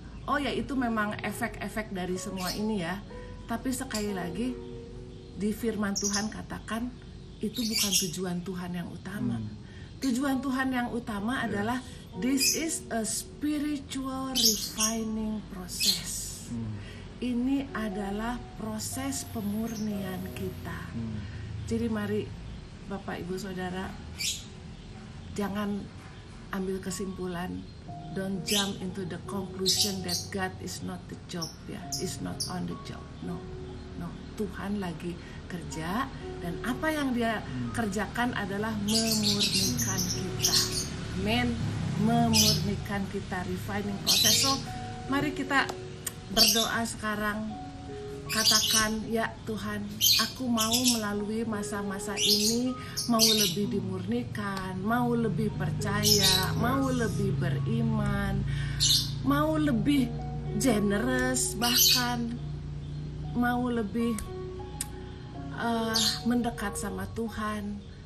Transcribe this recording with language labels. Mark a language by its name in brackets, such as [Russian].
[Indonesian] Oh ya, itu memang efek-efek dari semua ini ya. Tapi sekali lagi di firman Tuhan katakan itu bukan tujuan Tuhan yang utama. Tujuan Tuhan yang utama adalah [English] this is a spiritual refining process. [Indonesian] Ini adalah proses pemurnian kita. Jadi mari Bapak Ibu Saudara, jangan ambil kesimpulan, [English] don't jump into the conclusion that God is not the job, ya, is not on the job. No. [Indonesian] Tuhan lagi kerja dan apa yang Dia kerjakan adalah memurnikan kita. Amen. Memurnikan kita, [English] refining process. So, [Indonesian] mari kita berdoa sekarang. Katakan, ya Tuhan, aku mau melalui masa-masa ini, mau lebih dimurnikan, mau lebih percaya, mau lebih beriman, mau lebih generous, bahkan mau lebih mendekat sama Tuhan.